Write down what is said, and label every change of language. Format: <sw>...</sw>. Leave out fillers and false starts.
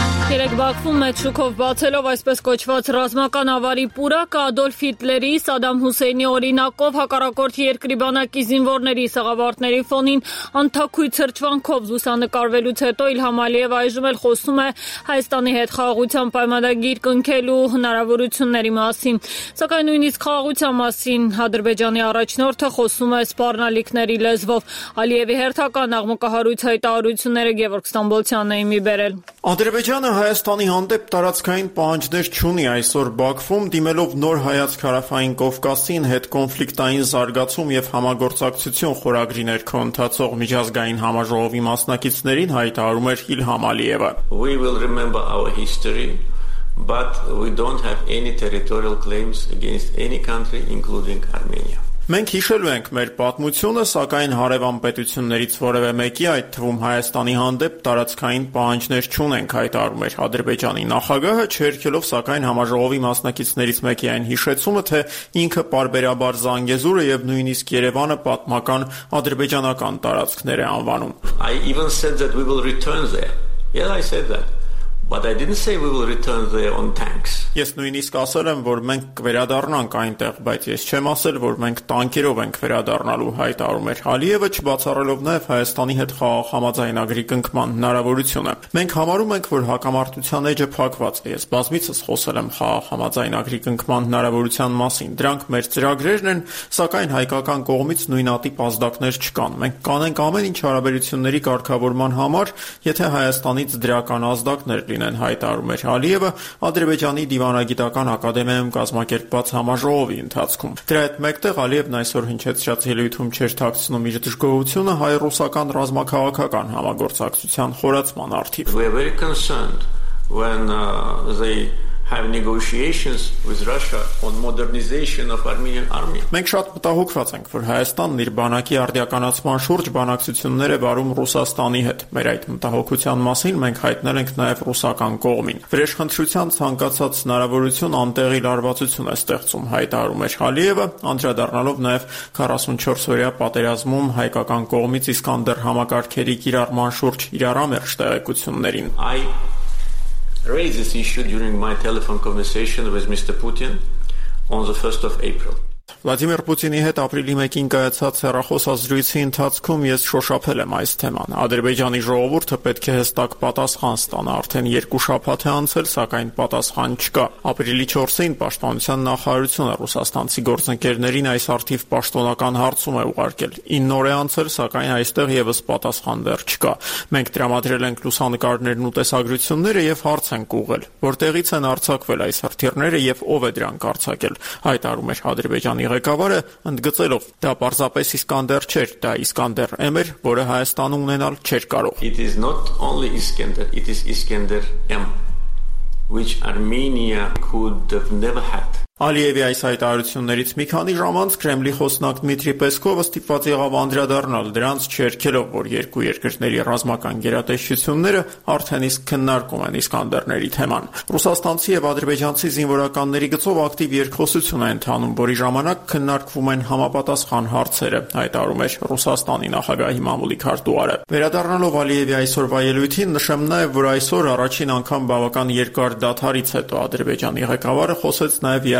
<hy>Երեկ Բաքվում մեջուկով բացելով այսպես կոչված ռազմական ավարի պուրակը Ադոլֆ Հիտլերի, Սադամ Հուսեյնի օրինակով հակառակորդ երկրի բանակի զինվորների սաղավարտների ֆոնին անթաքույց հրճվանքով լուսանկարվելուց հետո Իլհամ Ալիևը այժմ էլ խոսում է Հայաստանի հետ խաղաղության պայմանագիր կնքելու հնարավորությունների մասին, սակայն նույնիսկ խաղաղության մասին Ադրբեջանի առաջնորդը խոսում է սպառնալիքների լեզվով։ Ալիևի հերթական աղմուկահարույց հայտարարությունները Գևորգ Ստամբոլցյանն էին ի բերել։ Ադրբեջանը Հայաստանի հանդեպ տարածքային պահանջներ չունի այսօր Բաքվում, դիմելով նոր հայացք հարավային Կովկասին հետ կոնֆլիկտային զարգացում եւ համագործակցություն խորագրի ներքո ընթացող միջազգային համաժողովի մասնակիցներին, հայտարարում էր Իլհամ Ալիևը։</hy> <en>We will remember our history, but we don't have any territorial claims against any country including Armenia.</en> <hy>Մենք հիշելու ենք մեր պատմությունը, սակայն հարևան պետություններից որևէ մեկի, այդ թվում Հայաստանի հանդեպ տարածքային պահանջներ չունենք, հայտարարում էր Ադրբեջանի նախագահը, չերկելով սակայն համաժողովի մասնակիցներից մեկի այն հիշեցումը, թե ինքը պարբերաբար Զանգեզուրը եւ նույնիսկ Երևանը պատմական ադրբեջանական տարածքներ է անվանում։</hy> <en>I even said that we will return there. Yeah, I said that. But I didn't say we will return there on tanks.</en> <hy>Ես նույնիսկ ասել եմ, որ մենք վերադառնանք այնտեղ, բայց ես չեմ ասել, որ մենք տանկերով ենք վերադառնալու, հայտարարում էր Ալիևը, չբացառելով նաև Հայաստանի հետ խաղաղ համաձայնագրի կնքման հնարավորությունը։ Մենք համարում ենք, որ հակամարտության էջը փակված է։ Ես բազմիցս խոսել եմ խաղաղ համաձայնագրի կնքման հնարավորության մասին։ Դրանք մեր ծրագրերն են, սակայն հայկական կողմից նույնատիպ ազդակներ չկան։ Մենք կանենք ամեն ինչ հարաբերությունների կարգավորման համար, եթե Հայաստանից դրական ազդակներ լինեն, հայտարարում էր Ալիևը Ադրբեջանի դիվանագիտական ակադեմիայում կազմակերպված համաժողովի ընթացքում։ Դրա հետ մեկտեղ Ալիևն այսօր հնչեցրած ելույթում չեր թաքցնում իր դժգոհությունը հայ-ռուսական ռազմաքաղաքական համագործակցության խորացման արդի։</hy> <en>We are very concerned when they have negotiations with Russia on modernization of Armenian army.</en> <hy>Մենք շատ մտահոգված ենք, որ Հայաստանն իր բանակի արդիականացման շուրջ բանակցություններ է վարում Ռուսաստանի հետ։ Մեր այդ մտահոգության մասին մենք հայտնել ենք նաև ռուսական կողմին։ Վրեժխնդրության ցանկացած հնարավորություն անտեղի լարվածություն է ստեղծում, հայտարարում է Ալիևը, անդրադառնալով նաև 44-օրյա պատերազմում հայկական կողմից Իսկանդեր համակարգերի կիրառման շուրջ իրարամերժ տեղեկություններին։</hy> <en>Raised this issue during my telephone conversation with Mr. Putin on the 1st of April.</en> <hy>Վլադիմիր Պուտինի հետ ապրիլի 1-ին կայացած հեռախոսազրույցի ընթացքում ես շոշափել եմ այս թեման։ Ադրբեջանի ժողովուրդը պետք է հստակ պատասխան ստանա, արդեն 2 շաբաթ է անցել, սակայն պատասխան չկա։ Ապրիլի 4-ին Պաշտպանության նախարարությունը ռուսաստանցի գործընկերներին այս արդիվ պաշտոնական հարցում է ուղարկել։ 9 օր է անցել, սակայն այստեղ եւս պատասխան դեռ չկա։ Մենք տրամադրել ենք լուսանկարներն ու տեսագրությունները եւ հարց ենք ուղղել. Որտեղից են արձակվել այս հրթիռները եւ ով է դրանք արձակել, հայտարարում է Ադրբեջանը ղեկավարը, ընդգծելով դա պարզապես Իսկանդեր չէր, դա Իսկանդեր M էր, որը Հայաստանը ունենալ չէր կարող։</hy> <en>It is not only Iskander, it is Iskander M, which Armenia could have never had.</en> <hy>Ալիևի այս հայտարարություններից մի քանի ժամ անց Քրեմլի խոսնակ Դմիտրի Պեսկովը ստիպված եղավ անդրադառնալ, դրանց չերկելով, որ երկու երկրների ռազմական գերատեսչությունները արդեն իսկ քննարկում են Իսկանդերների թեման։ Ռուսաստանցի եւ ադրբեջանցի զինվորականների գծով ակտիվ երկխոսություն է ընթանում, որի ժամանակ քննարկվում են համապատասխան հարցերը, հայտարարում է Ռուսաստանի նախագահի մամուլի քարտուղարը։ Վերադառնալով Ալիևի այսօրվա ելույթին, նշեմ նաեւ, որ այսօր առաջին անգամ բավական երկար դադարից հետո Ադրբեջանի ղեկավարը խոսեց նաեւ</hy>